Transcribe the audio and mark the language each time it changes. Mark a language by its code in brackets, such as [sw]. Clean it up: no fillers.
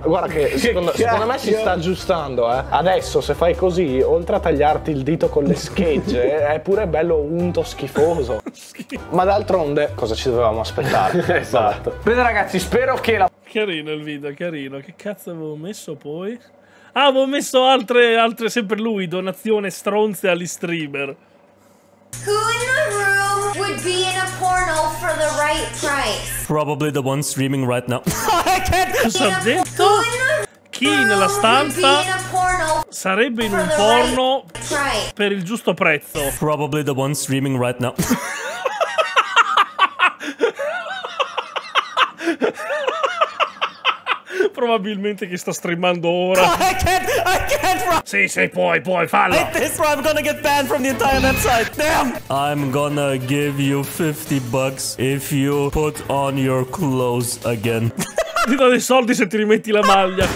[it] Guarda che secondo me si sta aggiustando, eh. Adesso se fai così, oltre a tagliarti il dito con le schegge, è pure bello unto schifoso. Ma d'altronde, cosa ci dovevamo aspettare? Esatto. Bene ragazzi, spero che la... Carino il video, carino. Che cazzo avevo messo poi? Ah, avevo messo altre sempre lui, donazione stronze agli streamer. [en] Who in the room would be in a porno for the right price? Probably the one streaming right now. I can't. [it] Cosa ha detto? Chi nella stanza sarebbe in un porno per il giusto prezzo? [en] Probably the one streaming right now. [it] Probabilmente che sta streamando ora. [en] I can't. [it] Sì, sì, puoi, fallo. [en] At this point, I'm gonna get banned from the entire website. Damn. I'm gonna give you 50 bucks if you put on your clothes again. [it] Ti do dei soldi se ti rimetti la maglia.